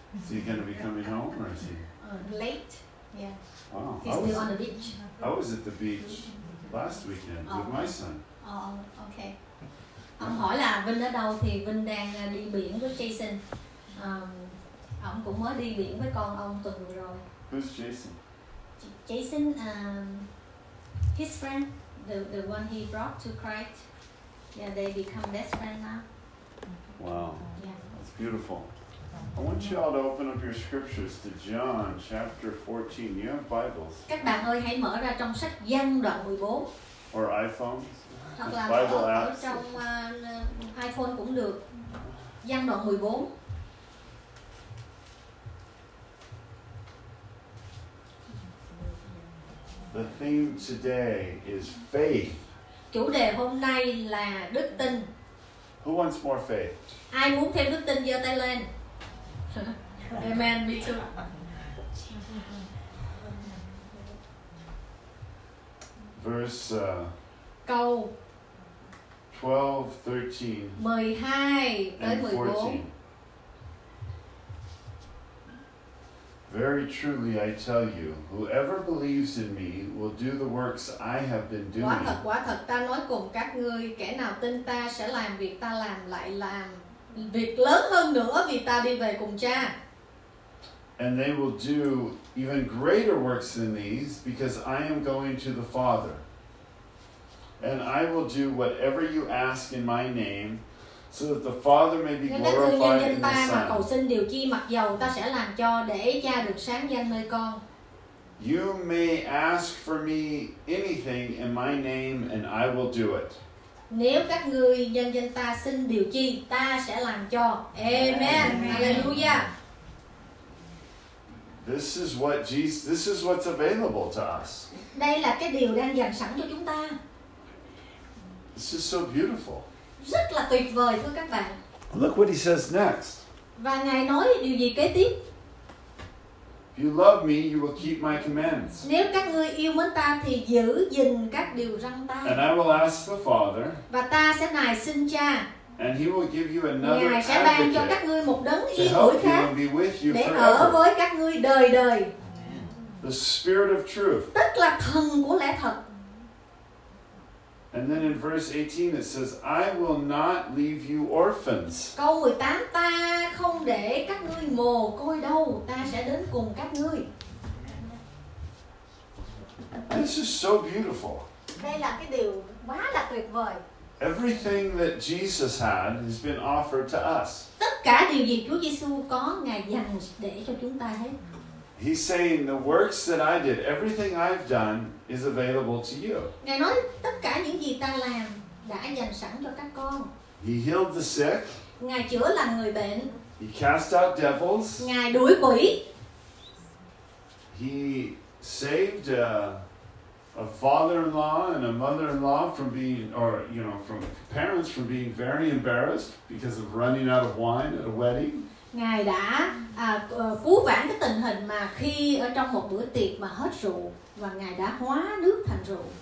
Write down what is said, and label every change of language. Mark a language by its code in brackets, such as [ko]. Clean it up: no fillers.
[en] Is he going to be coming home or is he? Late. Yeah. Oh, he's still on the beach. I was at the beach last weekend with my son. Oh, okay. [vi] Ông hỏi là Vinh ở đâu thì Vinh đang đi biển với Jason. Ông cũng mới đi biển với con ông tuần vừa rồi. [en] Who's Jason? Jason, his friend, the one he brought to Christ. Yeah, they become best friend now. Wow, that's beautiful. I want you all to open up your scriptures to John chapter 14. You have Bibles. [vi] Các bạn ơi, hãy mở ra trong sách Giăng đoạn 14. [en] Or iPhones. [vi] Hoặc là Bible apps. Trong iPhone cũng được. Giăng đoạn 14. [en] The theme today is faith. [vi] Chủ đề hôm nay là đức tin. [en] Who wants more faith? [vi] Ai muốn thêm đức tin giơ tay lên. [en] Amen, me too. Verse [vi] câu 12, 13, 12 tới 14. [en] Very truly I tell you, whoever believes in me will do the works I have been doing. [vi] Quả thật ta nói cùng các ngươi, kẻ nào tin ta sẽ làm việc ta làm, lại làm việc lớn hơn nữa vì ta đi về cùng Cha. [en] And they will do even greater works than these because I am going to the Father. And I will do whatever you ask in my name, so that the Father may be glorified in the Son. [vi] Mà cầu xin điều chi mặc dầu ta sẽ làm cho để Cha được sáng danh nơi con. [en] You may ask for me anything in my name and I will do it. [vi] Nếu các ngươi nhân danh ta xin điều chi, ta sẽ làm cho. Amen. Amen. Hallelujah. [en] This is what Jesus, this is what's available to us. [vi] Đây là cái điều đang dành sẵn cho chúng ta. [en] This is so beautiful. [vi] Rất là tuyệt vời, thưa các bạn. [en] Look what he says next. [vi] Và Ngài nói điều gì kế tiếp? [en] If you love me, you will keep my commands. [vi] Nếu các ngươi yêu mến ta thì giữ gìn các điều răn ta. [en] And I will ask the Father. [vi] Và ta sẽ nài xin Cha. [en] And he will give you another [vi] Ngài sẽ ban cho các ngươi một đấng yên ủi khác [en] be with you [vi] để [en] forever. [vi] Ở với các ngươi đời đời. [en] The Spirit of Truth. [vi] Tức là thần của lẽ thật. [en] And then in verse 18 it says, I will not leave you orphans. [vi] Câu 18, ta không để các ngươi mồ côi đâu, ta sẽ đến cùng các ngươi. [en] This is so beautiful. [vi] Đây là cái điều quá là tuyệt vời. [en] Everything that Jesus had has been offered to us. [vi] Tất cả điều gì Chúa Giêsu có, Ngài dành để cho chúng ta hết. [en] He's saying the works that I did, everything I've done is available to you. [vi] Ngài nói tất cả những gì ta làm đã dành sẵn cho các con. [en] He healed the sick. [vi] Ngài chữa lành người bệnh. [en] He cast out devils. [vi] Ngài đuổi quỷ. [en] He saved a father-in-law and a mother-in-law from being, or you know, from parents from being very embarrassed because of running out of wine at a wedding. [vi] Ngài đã cứu vãn cái tình hình mà khi ở trong một bữa tiệc mà hết rượu và Ngài đã hóa nước thành rượu.